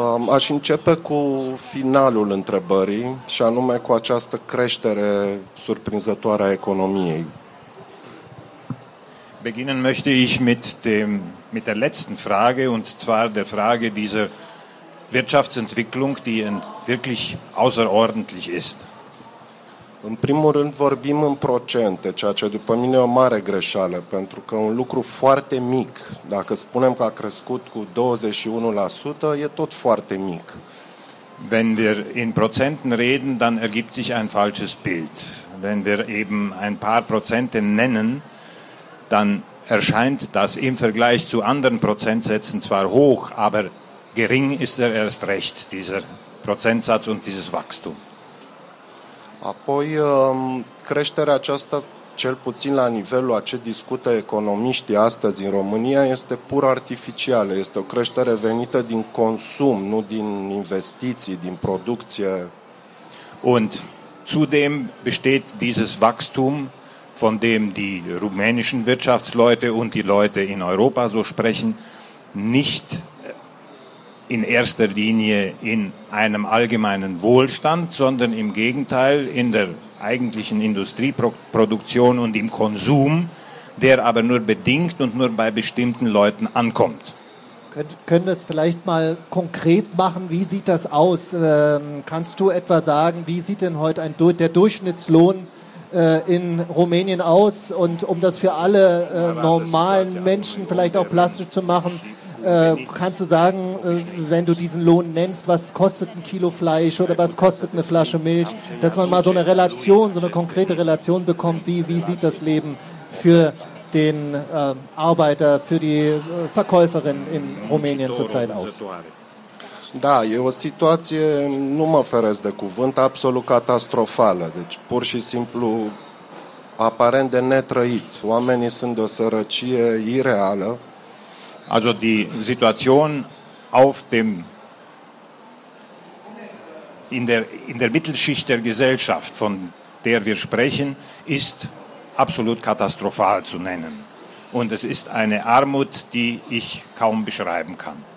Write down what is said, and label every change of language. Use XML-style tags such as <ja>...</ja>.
<ro>Aș începe cu finalul întrebării și anume cu această creștere surprinzătoare a economiei.</ro> <de>Beginnen möchte ich mit der letzten Frage und zwar der Frage dieser Wirtschaftsentwicklung, die wirklich außerordentlich ist.</de> <ro>În primul rând vorbim în procente, ceea ce după mine e o mare greșeală, pentru că un lucru foarte mic, dacă spunem că a crescut cu 21%, e tot foarte mic.</ro> <de>Wenn wir in Prozenten reden, dann ergibt sich ein falsches Bild. Wenn wir eben ein paar Prozente nennen, dann erscheint das im Vergleich zu anderen Prozentsätzen zwar hoch, aber gering ist er erst recht, dieser Prozentsatz und dieses Wachstum.</de> <ro>Apoi, creșterea aceasta, cel puțin la nivelul a ce discută economiștii astăzi în România, este pur artificială. Este o creștere venită din consum, nu din investiții, din producție.</ro> <de>Und zudem besteht dieses Wachstum, von dem die rumänischen Wirtschaftsleute und die Leute in Europa so sprechen, nicht in erster Linie in einem allgemeinen Wohlstand, sondern im Gegenteil in der eigentlichen Industrieproduktion und im Konsum, der aber nur bedingt und nur bei bestimmten Leuten ankommt. Können wir es vielleicht mal konkret machen? Wie sieht das aus? Kannst du etwa sagen, wie sieht denn heute der Durchschnittslohn in Rumänien aus? Und um das für alle normalen Menschen vielleicht auch plastisch zu machen, kannst du sagen, wenn du diesen Lohn nennst, was kostet ein Kilo Fleisch oder was kostet eine Flasche Milch, dass man mal so eine Relation, so eine konkrete Relation bekommt, wie sieht das Leben für den Arbeiter, für die Verkäuferin in Rumänien zurzeit aus?</de> <ro>Da, e o situație, nu mă feresc de cuvânt, absolut catastrofală. Deci, pur și simplu, aparent de netrăit. Oamenii sunt de o sărăcie ireală.</ro> <de>Also die Situation auf dem in der Mittelschicht der Gesellschaft, von der wir sprechen, ist absolut katastrophal zu nennen. Und es ist eine Armut, die ich kaum beschreiben kann.</de>